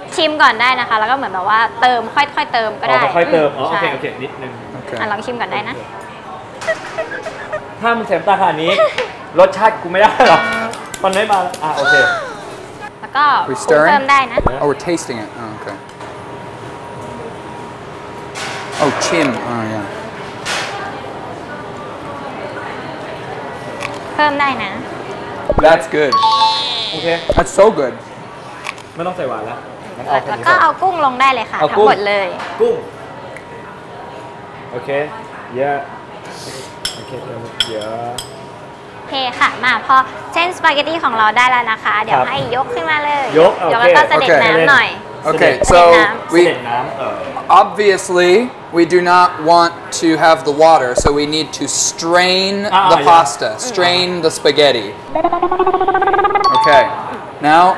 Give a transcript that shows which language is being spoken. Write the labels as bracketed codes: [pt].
[th] ชิมก่อนได้นะคะแล้วก็เหมือนแบบว่าเติมค่อยๆเติมก็ได้ค่อยๆเติมโอเคโอเคนิดนึงอ่ ะลองชิมก่อนได้นะ ถ้ามึงแสบตาขนาดนี้รสชาติกูไม่ได้หรอกมันไม่มาอ่ะโอเค แล้วก็เติมได้นะ [en] oh we're tasting it oh okay oh chin oh yeah [th] เพิ่มได้นะ [en] that's good okay that's so good [th] ไม่ต้องใส่หวานแล้ว แล้วก็เอากุ้งลงได้เลยค่ะทั้งหมดเลย กุ้งโอเค yeahโอเคเดี๋ยว โอเคค่ะมาพอเช่นสปาเกตตี้ของเราได้แล้วนะคะเดี๋ยวให้ยกขึ้นมาเลย ยกโอเค แล้วก็เสด็จน้ำหน่อย โอเค so [en] we obviously we do not want to have the water so we need to strain the pasta strain the spaghetti okay now